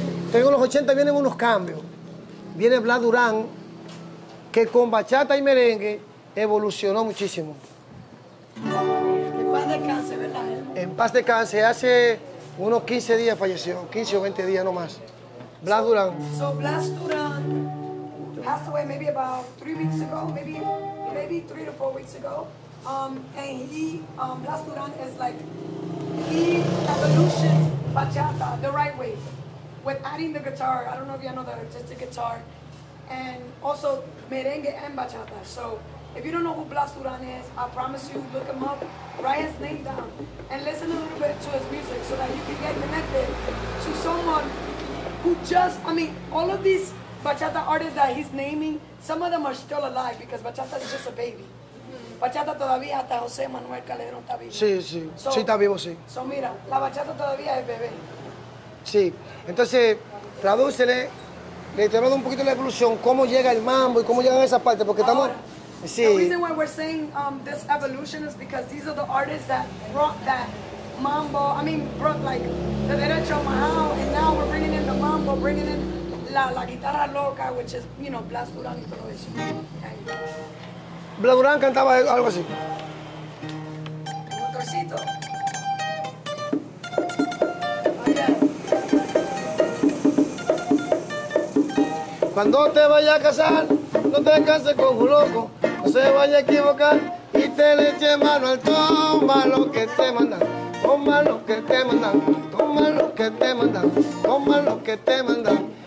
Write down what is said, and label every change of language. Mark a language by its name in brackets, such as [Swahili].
[Spanish] Tengo los 80, vienen unos cambios. Viene Blas Durán, que con bachata y merengue evolucionó muchísimo. En paz descanse, ¿verdad? En paz descanse, hace Unos 15 días falleció, 15 o 20 días nomás. Blas Durán. [English] So Blas Durán passed away maybe about 3 weeks ago, maybe 3 to 4 weeks ago. Blas Durán is like, he evolutioned bachata the right way with adding the guitar. I don't know if you know that, artistic guitar. And also merengue and bachata. So if you don't know who Blas Durán is, I promise you, look him up, write his name down, and listen a little bit to his music so that you can get connected to someone who just, I mean, all of these bachata artists that he's naming, some of them are still alive because bachata is just a baby. [Spanish] Bachata todavía hasta José Manuel Calderón está vivo. Sí, sí, so, sí está vivo, sí. So mira, la bachata todavía es bebé. Sí, entonces, tradúcele, le te hablo un poquito de la evolución, cómo llega el mambo y cómo llegan esas partes, porque estamos... Ahora, sí. [English] The reason why we're saying this evolution is because these are the artists that brought that mambo, I mean, brought like the derecho mahao, and now we're bringing in the mambo, bringing in [Spanish] la guitarra loca, [English] which is, you know, Blas Durán [Spanish] y todo eso. [English] Okay. [Spanish] Blas Durán cantaba algo así. Motorcito. Cuando te vayas a casar, no te canses con un loco, no se vaya a equivocar y te le eche mano al toma lo que te mandan, toma lo que te mandan, toma lo que te mandan, toma lo que te mandan.